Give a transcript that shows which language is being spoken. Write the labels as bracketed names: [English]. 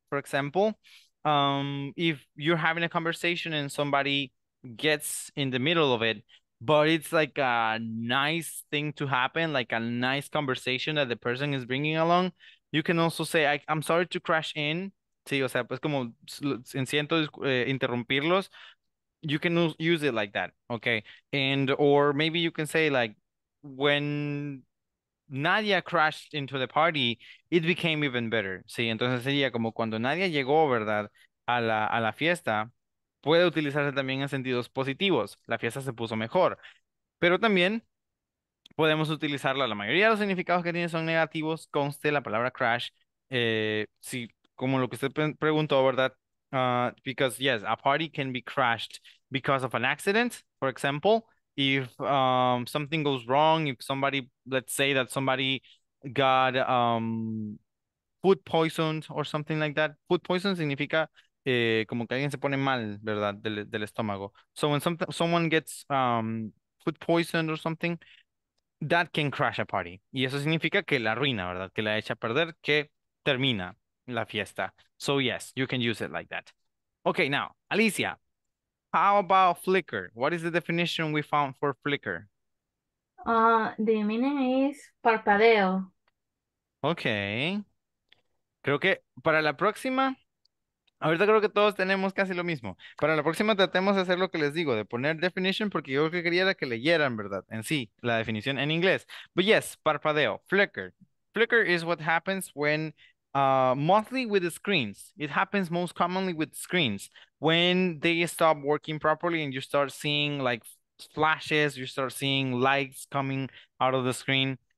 [English] For example, if you're having a conversation and somebody gets in the middle of it, but it's like a nice thing to happen, like a nice conversation that the person is bringing along, you can also say, I'm sorry to crash in. [Spanish] Sí, o sea, pues como siento interrumpirlos. [English] You can use it like that, okay? And or maybe you can say like, when Nadia crashed into the party, it became even better. [Spanish] Sí, entonces sería como cuando Nadia llegó, ¿verdad? A la fiesta, puede utilizarse también en sentidos positivos. La fiesta se puso mejor. Pero también podemos utilizarla. La mayoría de los significados que tiene son negativos. Conste la palabra crash. Sí, como lo que usted preguntó, ¿verdad? [English] Because yes, a party can be crashed because of an accident. For example, if something goes wrong, if somebody, let's say that somebody got food poisoned or something like that. [Spanish] Food poison significa como que alguien se pone mal, ¿verdad? Del estómago. [English] So when someone gets food poisoned or something, that can crash a party. [Spanish] Y eso significa que la arruina, ¿verdad? Que la echa a perder, que termina la fiesta. [English] So yes, you can use it like that. Okay, now, Alicia, how about flicker? What is the definition we found for flicker? The meaning is parpadeo. Okay. [Spanish] Creo que para la próxima, ahorita creo que todos tenemos casi lo mismo. Para la próxima tratemos de hacer lo que les digo, de poner definition, porque yo lo que quería era que leyeran, ¿verdad? En sí, la definición en inglés. [English] But yes, [Spanish] parpadeo, flicker. [English] Flicker is what happens when mostly with the screens. It happens most commonly with screens. When they stop working properly and you start seeing like flashes, you start seeing lights coming out of the screen.